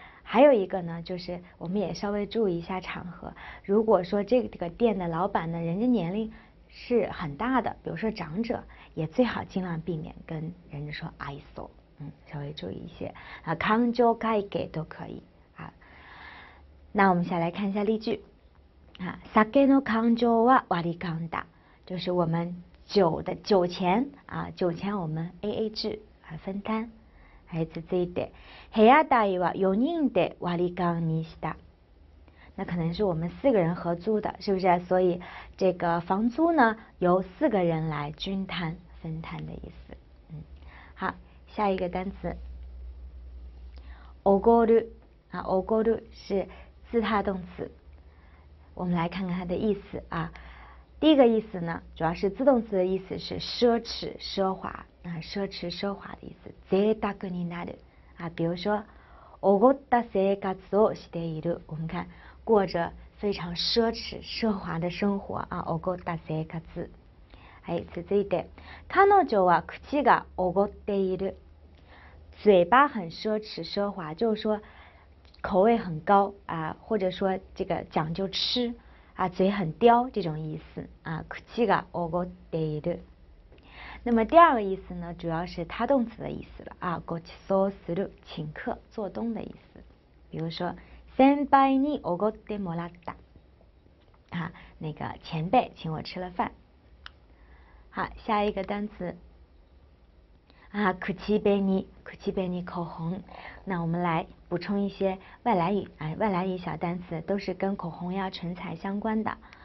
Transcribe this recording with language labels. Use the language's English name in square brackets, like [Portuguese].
[Chinese] 还有一个呢，就是我们也稍微注意一下场合，如果说这个店的老板呢，人家年龄是很大的，比如说长者，也最好尽量避免跟人家说 ISO， 稍微注意一些啊，勘定会計都可以啊。那我们下来看一下例句啊， [Japanese] 酒の勘定は割り勘だ， [Chinese] 就是我们酒钱啊，酒钱我们 AA 制啊，分摊。还是这一点， [Japanese] 部屋代は4人で割り勘にした。 [Chinese] 那可能是我们四个人合租的，是不是？所以这个房租呢，由四个人来均摊分摊的意思。好，下一个单词，おごる啊，おごる是自他动词。我们来看看它的意思啊。第一个意思呢，主要是自动词的意思是奢侈、奢华。啊，奢侈奢华的意思， [Japanese] 贅沢になる [Chinese] 啊，比如说， [Japanese] おごった生活をしている， [Chinese] 我们看过着非常奢侈奢华的生活啊，おごった生活。哎， [Japanese] 続いて，彼女は口がおごっている， [Chinese] 嘴巴很奢侈奢华，就是说口味很高啊，或者说这个讲究吃啊，嘴很刁这种意思啊，口がおごっている。那么第二个意思呢，主要是他动词的意思了啊，ごちそうする，请客做东的意思。比如说 [Japanese] 先輩におごってもらった [Chinese] 啊，那个前辈请我吃了饭。好，下一个单词啊，口紅口红。那我们来补充一些外来语啊，外来语小单词都是跟口红呀唇彩相关的。